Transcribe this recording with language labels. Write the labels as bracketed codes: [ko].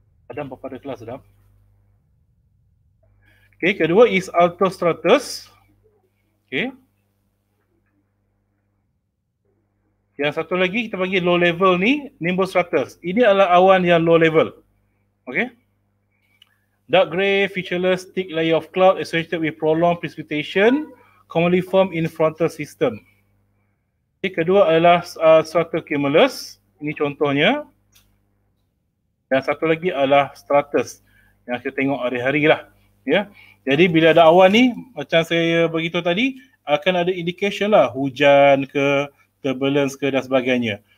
[ms] Adam, apa ada kelas, Adam? Okay, kedua is altostratus. Okay. Yang satu lagi kita panggil low level ni, Nimbus Stratus. Ini adalah awan yang low level. Okay. [en] Dark grey, featureless, thick layer of cloud associated with prolonged precipitation, commonly formed in frontal system. [ms] Okay, kedua adalah stratocumulus. Ini contohnya. Yang satu lagi adalah stratus yang kita tengok hari-hari lah. Ya. Yeah. Jadi bila ada awan ni, macam saya beritahu tadi, akan ada indication lah, hujan ke, turbulence ke dan sebagainya.